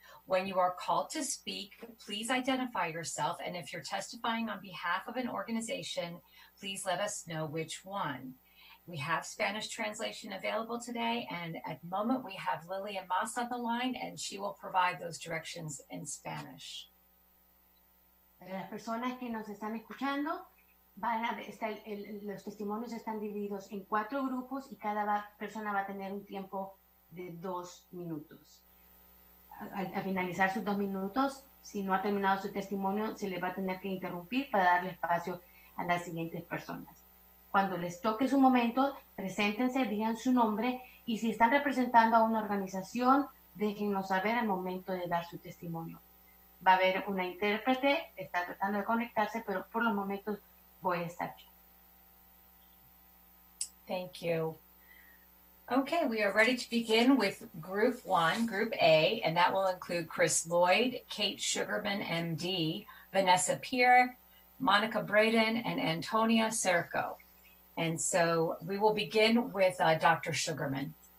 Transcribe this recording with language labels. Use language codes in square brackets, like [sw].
[en] When you are called to speak, please identify yourself, and if you're testifying on behalf of an organization, please let us know which one. We have Spanish translation available today, and at the moment we have Lillian Moss on the line, and she will provide those directions in Spanish. [es] Para las personas que nos están escuchando, los testimonios están divididos en cuatro grupos, y cada persona va a tener un tiempo de 2 minutos. Al finalizar sus 2 minutos, si no ha terminado su testimonio, se le va a tener que interrumpir para darle espacio a las siguientes personas. Cuando les toque su momento, preséntense, digan su nombre, y si están representando a una organización, déjenos saber al momento de dar su testimonio. Va a haber una intérprete, está tratando de conectarse, pero por los momentos voy a estar aquí. [en] Thank you. Okay, we are ready to begin with Group 1, Group A, and that will include Chris Lloyd, Kate Sugarman, MD, Vanessa Pierre, Monica Braden, and Antonia Cerco. And so we will begin with Dr. Sugarman.